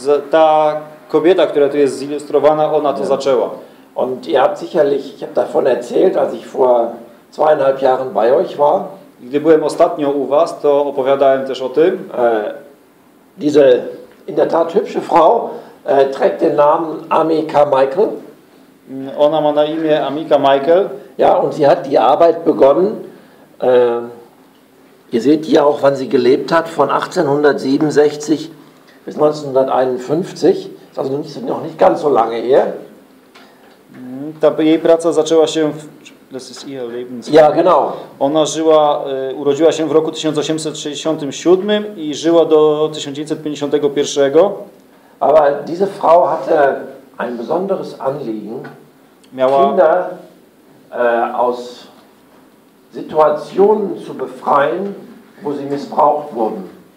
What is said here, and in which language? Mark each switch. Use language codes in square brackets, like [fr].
[pl] Ta kobieta, która tu jest zilustrowana, ona to zaczęła. [de] Und ihr habt sicherlich, ich habe davon erzählt, als ich vor 2,5 Jahren bei euch war. [pl] Gdy byłem ostatnio u was, to opowiadałem też o tym. [de] Diese in der Tat hübsche Frau trägt den Namen Amy Carmichael. [pl] Ona ma na imię Amika Michael. [de] Ja, und sie hat die Arbeit begonnen. Ihr seht hier auch, wann sie gelebt hat, von 1867 bis 1951. Ist also noch nicht ganz so lange her. [pl] Ta jej praca zaczęła się w, [de] das ist ihr Lebens. Ja, genau. [pl] Ona żyła, urodziła się w roku 1867 i żyła do 1951. [de] Aber diese Frau hatte ein besonderes Anliegen, Kinder aus Situationen zu befreien, wo sie missbraucht wurden.